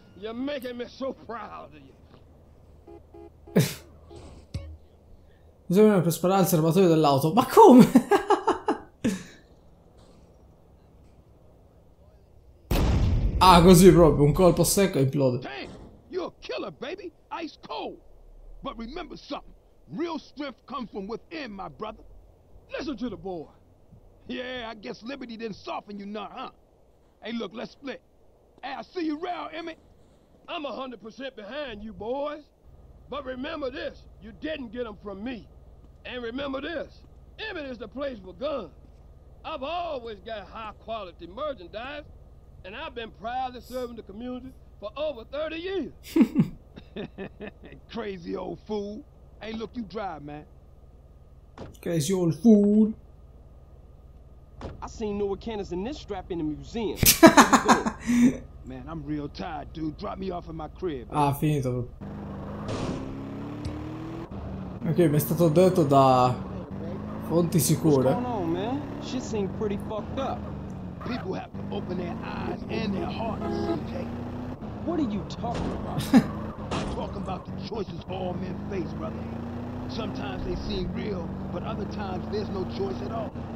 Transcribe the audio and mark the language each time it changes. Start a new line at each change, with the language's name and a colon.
English: You're making me so proud of you.
Italian: Bisogna per sparare al serbatoio dell'auto. Ma come? Ah, così proprio, un colpo secco e implode.
English: Killer, baby, ice cold. But remember something, real strength comes from within, my brother. Listen to the boy. Yeah, I guess liberty didn't soften you none, huh? Hey, look, let's split. Hey, I see you around, Emmett. I'm 100% behind you, boys. But remember this, you didn't get them from me. And remember this, Emmett is the place for guns. I've always got high quality merchandise, and I've been proudly serving the community for over 30 years. Crazy old fool. Hey, look, you drive, man. Crazy old fool. I seen Noah Cannons in this strap in the museum. Man, I'm real tired, dude. Drop me off in my crib.
Italian: Ah, finito. Ok, mi è stato detto da fonti sicure.
English: What's going on, man? Shit seemed pretty fucked up. People have to open their eyes and their hearts, CJ. What are you talking about? I'm talking about the choices all men face, brother. Sometimes they seem real, but other times there's no choice at all.